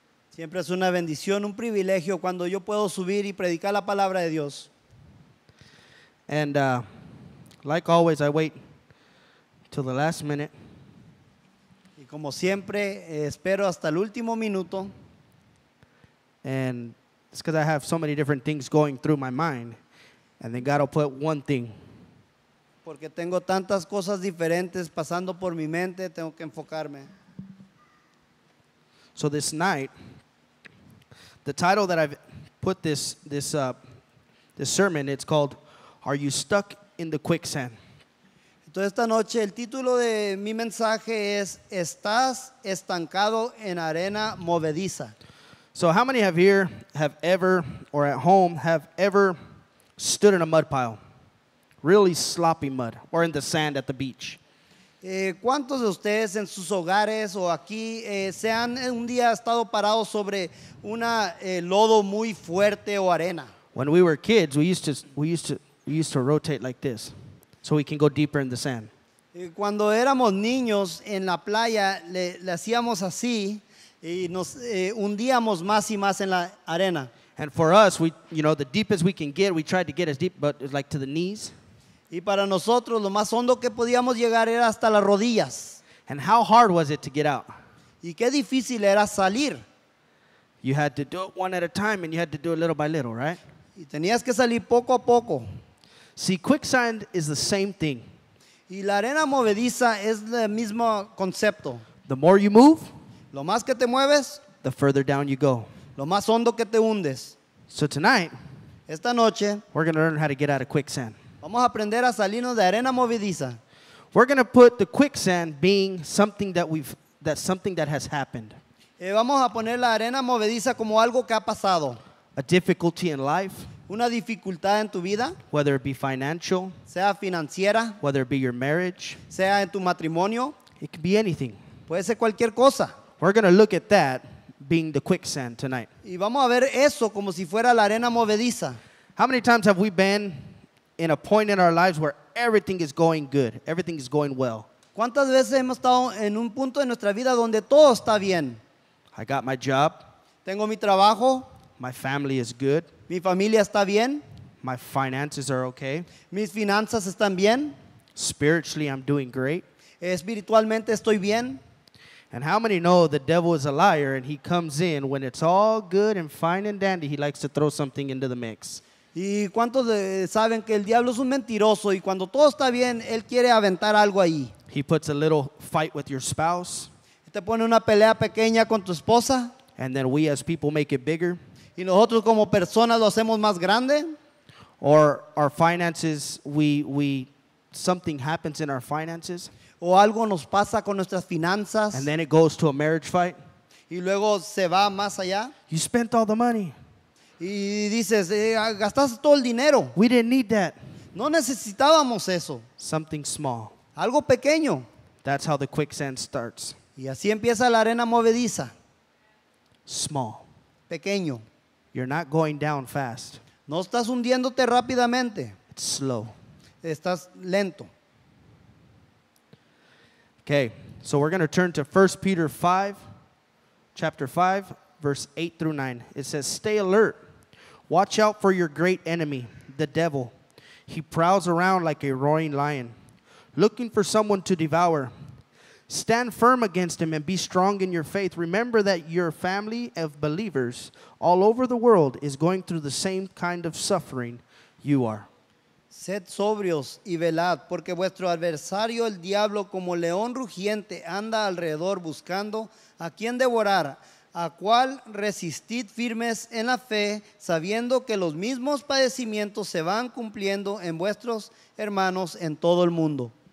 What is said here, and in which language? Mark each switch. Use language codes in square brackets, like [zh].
[es] Siempre es una bendición, un privilegio cuando yo puedo subir y predicar la palabra de Dios. [en] And like always, I wait till the last minute. [es] Y como siempre, espero hasta el último minuto. [en] And it's because I have so many different things going through my mind. And then God will put one thing. [es] Porque tengo tantas cosas diferentes pasando por mi mente, tengo que enfocarme. [en] So this night, the title that I've put this sermon, it's called, Are You Stuck in the Quicksand? [es] Entonces esta noche el título de mi mensaje es, ¿Estás estancado en arena movediza? [en] So how many have here have ever, or at home, have ever stood in a mud pile? Really sloppy mud, or in the sand at the beach? [es] ¿Cuántos de ustedes en sus hogares o aquí se han un día estado parados sobre una lodo muy fuerte o arena? [en] When we were kids, we used to rotate like this, so we can go deeper in the sand. [es] Cuando éramos niños en la playa, le hacíamos así y nos hundíamos más y más en la arena. [en] And for us, we the deepest we can get, we tried to get as deep, but it's like to the knees. [es] Y para nosotros lo más hondo que podíamos llegar era hasta las rodillas. [en] And how hard was it to get out? [es] Y qué difícil era salir. [en] You had to do it one at a time, and you had to do it little by little, right? [es] Y tenías que salir poco a poco. [en] See, quicksand is the same thing. [es] Y la arena movediza es el mismo concepto. [en] The more you move, [es] lo más que te mueves, [en] the further down you go. [es] Lo más hondo que te hundes. [en] So tonight, [es] esta noche, [en] we're going to learn how to get out of quicksand. [es] Vamos a aprender a salirnos de arena movediza. [en] We're going to put the quicksand being something that something that has happened. [es] Vamos a poner la arena movediza como algo que ha pasado. [en] A difficulty in life. [es] Una dificultad en tu vida. [en] Whether it be financial. [es] Sea financiera. [en] Whether it be your marriage. [es] Sea en tu matrimonio. [en] It can be anything. [es] Puede ser cualquier cosa. [en] We're going to look at that being the quicksand tonight. [es] Y vamos a ver eso como si fuera la arena movediza. [en] How many times have we been in a point in our lives where everything is going good? Everything is going well. [es] ¿Cuántas veces hemos estado en un punto de nuestra vida donde todo está bien? [en] I got my job. [es] Tengo mi trabajo. [en] My family is good. [es] Mi familia está bien. [en] My finances are okay. [es] Mis finanzas están bien. [en] Spiritually, I'm doing great. [es] Espiritualmente estoy bien. [en] And how many know the devil is a liar and he comes in when it's all good and fine and dandy, he likes to throw something into the mix. [es] ¿Y cuántos saben que el diablo es un mentiroso y cuando todo está bien, él quiere aventar algo ahí? [en] He puts a little fight with your spouse. [es] Te pone una pelea pequeña con tu esposa. [en] And then we as people make it bigger. [es] Y nosotros como personas lo hacemos más grande. [en] Or our finances, something happens in our finances. [es] O algo nos pasa con nuestras finanzas. [en] And then it goes to a marriage fight. [es] Y luego se va más allá. [en] You spent all the money. [es] Y dices, gastaste todo el dinero. [en] We didn't need that. [es] No necesitábamos eso. [en] Something small. [es] Algo pequeño. [en] That's how the quicksand starts. [es] Y así empieza la arena movediza. [en] Small. [es] Pequeño. [en] You're not going down fast. [es] No estás hundiéndote rápidamente. [en] It's slow. [es] Estás lento. [en] Okay, so we're going to turn to 1 Peter 5, chapter 5, verse 8 through 9. It says, stay alert. Watch out for your great enemy, the devil. He prowls around like a roaring lion, looking for someone to devour. Stand firm against him and be strong in your faith. Remember that your family of believers all over the world is going through the same kind of suffering you are. [es] Sed sobrios y velad, porque vuestro adversario, el diablo, como león rugiente, anda alrededor buscando a quien devorar, a cual resistid firmes en la fe, sabiendo que los mismos padecimientos se van cumpliendo en vuestros hermanos en todo el mundo.